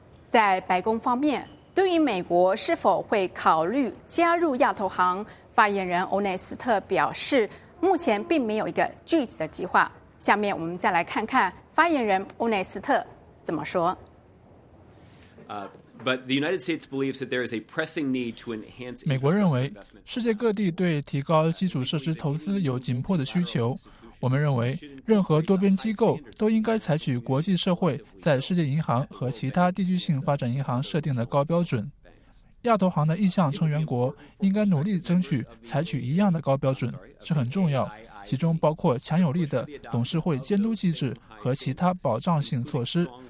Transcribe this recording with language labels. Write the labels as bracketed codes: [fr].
[zh] 在白宫方面，对于美国是否会考虑加入亚投行，发言人欧内斯特表示，目前并没有一个具体的计划。下面我们再来看看发言人欧内斯特怎么说。 [en] But the United States believes that there is a pressing need to enhance. [zh] 美国认为，世界各地对提高基础设施投资有紧迫的需求。我们认为，任何多边机构都应该采取国际社会在世界银行和其他地区性发展银行设定的高标准。亚投行的意向成员国应该努力争取采取一样的高标准，这很重要，其中包括强有力的董事会监督机制和其他保障性措施。